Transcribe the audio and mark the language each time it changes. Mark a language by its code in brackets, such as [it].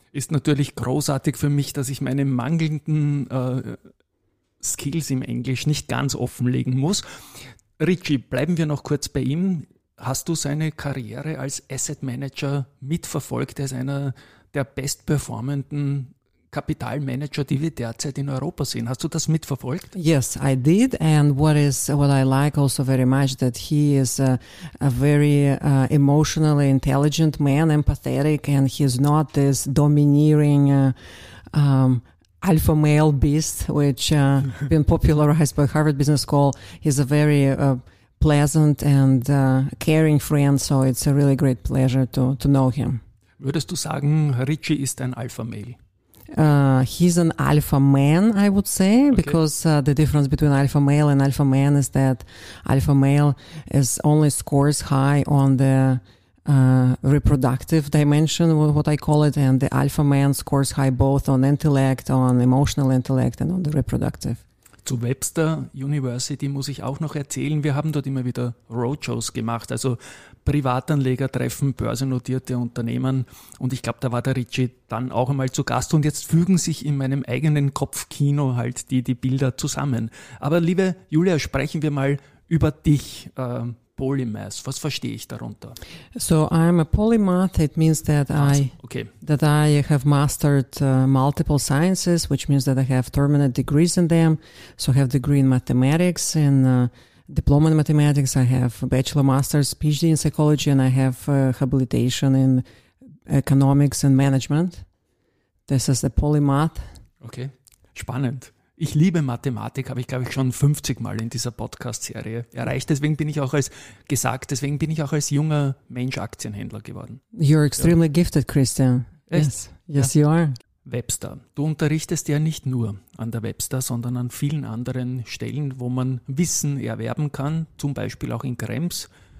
[de] Ist natürlich großartig für mich, dass ich meine mangelnden Skills im Englisch nicht ganz offenlegen muss. Richie, bleiben wir noch kurz bei ihm. Hast du seine Karriere als Asset Manager mitverfolgt? Er ist einer der bestperformenden Kapitalmanager, die wir derzeit in Europa sehen. Hast du das mitverfolgt? [en] Yes, I did. And what I like also very much that he is a very emotionally intelligent man, empathetic, and he's not this domineering alpha male beast, which been popularized by Harvard Business School. He's a very pleasant and caring friend. So it's a really great pleasure to know him. [de] Würdest du sagen, Richie ist ein alpha male? [en] He's an alpha man, I would say, okay. Because the difference between alpha male and alpha man is that alpha male is only scores high on the reproductive dimension, what I call it, and the alpha man scores high both on intellect, on emotional intellect and on the reproductive. [de] Zu Webster University muss ich auch noch erzählen, wir haben dort immer wieder Roadshows gemacht, also Privatanleger treffen börsennotierte Unternehmen und ich glaube, da war der Richie dann auch einmal zu Gast und jetzt fügen sich in meinem eigenen Kopfkino halt die Bilder zusammen. Aber liebe Julia, sprechen wir mal über dich, Polymath, was verstehe ich darunter? [en] So I'm a polymath, it means that that I have mastered multiple sciences, which means that I have terminate degrees in them, so I have degree in mathematics and diploma in mathematics, I have a bachelor, master's, PhD in psychology, and I have habilitation in economics and management. This is the polymath. [de] Okay, spannend. Ich liebe Mathematik, habe ich, glaube ich, schon 50 Mal in dieser Podcast-Serie erreicht. Deswegen bin ich auch als junger Mensch Aktienhändler geworden. [en] You're extremely gifted, Christian. Yes. Yes, you are. [de] Webster. Du unterrichtest ja nicht nur an der Webster, sondern an vielen anderen Stellen, wo man Wissen erwerben kann, zum Beispiel auch in Krems.